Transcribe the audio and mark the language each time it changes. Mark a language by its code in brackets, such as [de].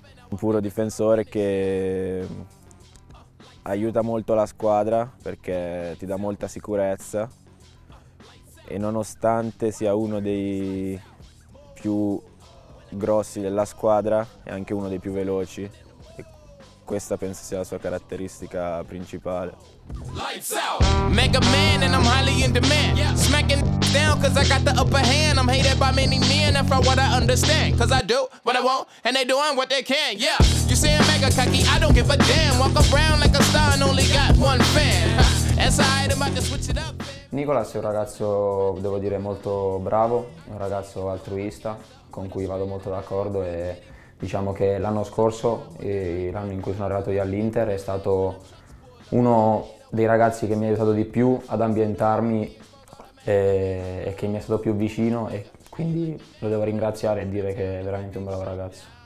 [it] Un puro difensore che aiuta molto la squadra perché ti dà molta sicurezza e nonostante sia uno dei più grossi della squadra è anche uno dei più veloci. Questa penso sia la sua caratteristica principale. [en] Lights out. Mega man and I'm highly in demand. Yeah. Smacking down cause I got the upper hand. I'm hated by many men and from what I understand. Cause I do what I want and they doing what they can. Yeah, you see a mega cocky, I don't give a damn. Walk around like a star and only got one fan. As I am about to switch it up. [it] Nicolas è un ragazzo, devo dire, molto bravo, è un ragazzo altruista con cui vado molto d'accordo e diciamo che l'anno scorso, l'anno in cui sono arrivato io all'Inter, è stato uno dei ragazzi che mi ha aiutato di più ad ambientarmi e che mi è stato più vicino e quindi lo devo ringraziare e dire che è veramente un bravo ragazzo.